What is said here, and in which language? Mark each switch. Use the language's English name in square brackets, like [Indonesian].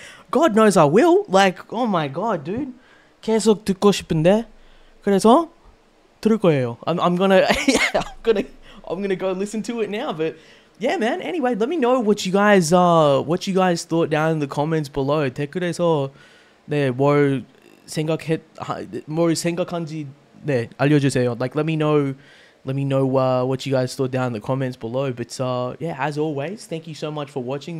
[English] God knows I will. Like, oh my God, dude. [Korean] 계속 듣고 싶은데. 그래서 들을 거예요. [English] I'm gonna go listen to it now. But yeah, man. Anyway, let me know what you guys thought down in the comments below. [Korean] 댓글에서 네, 뭘 생각한지 네, 알려주세요. [English] Like, let me know what you guys thought down in the comments below. But yeah, as always, thank you so much for watching.